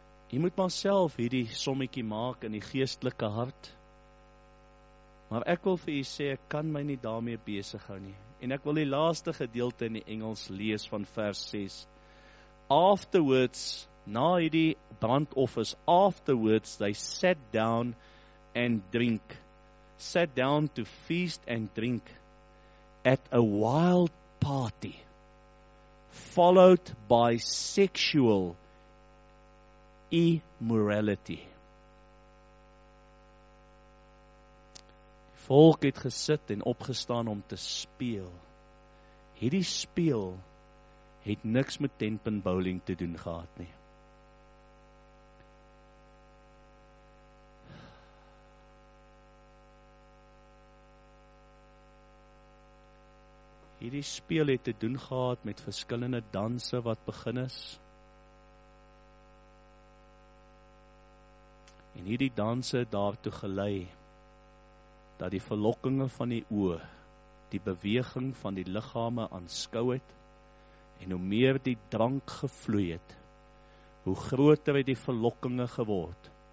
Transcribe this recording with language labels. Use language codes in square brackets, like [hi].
[af] Jy moet maar self hierdie sommetjie maak in die geestelike hart. Maar ek wil vir jy sê, ek kan my nie daarmee besig hou nie. En ek wil die laaste gedeelte in die Engels lees van vers 6. [en] Afterwards, [af] na hierdie brandoffers, [en] afterwards, they sat down and drink. Sat down to feast and drink at a wild party, followed by sexual immorality. [af] Volk het gesit en opgestaan om te speel. Hierdie speel het niks met tenpin bowling te doen gehad nie. Hierdie speel het te doen gehad met verskillende danse wat begin is. En hierdie danse daartoe gelei dat die verlokkinge van die oë die beweging van die liggame aanskou het, en hoe meer die drank gevloei het, hoe groter het die verlokkinge geword.